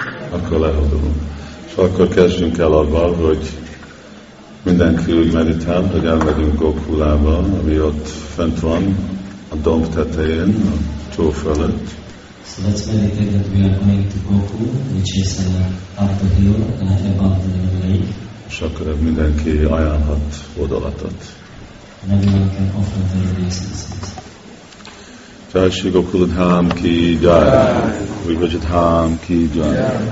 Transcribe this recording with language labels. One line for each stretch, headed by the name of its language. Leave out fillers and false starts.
Hungarian: Akkor lehodolunk. És akkor kezdjünk el abban, hogy mindenki úgy meditál, hogy elmegyünk Gokulába, ami ott fent van, a domb tetején, a tó fölött.
English: So let's meditate that we are going to Goku, which is up the hill and above the lake.
Hungarian: És akkor mindenki ajánlhat odalatot.
English: And everyone can offer their obeisances.
Hindi: Jai Shri Gokuladham ki jai. Vibhajadham ki jai.